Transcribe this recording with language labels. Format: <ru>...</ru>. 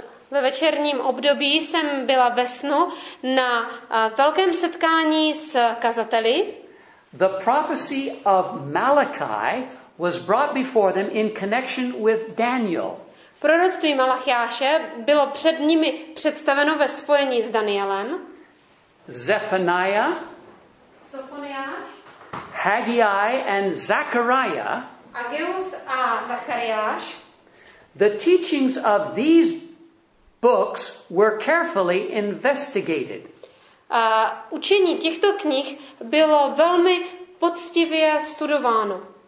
<cs>Ve večerním období jsem byla ve snu na velkém setkání s kazateli.</cs> <en>The prophecy of Malachi was brought before them in connection with Daniel.</en> <cs>Proroctví Malachiáše bylo před nimi představeno ve spojení s Danielem.</cs> <en>Zephaniah.</en> <cs>Sofoniáš,</cs> <en>Haggai and Zechariah,</en> <cs>Ageus a Zachariáš.</cs> <en>The teachings of these books were carefully investigated.</en> <cs>Učení těchto knih bylo velmi poctivě studováno.</cs>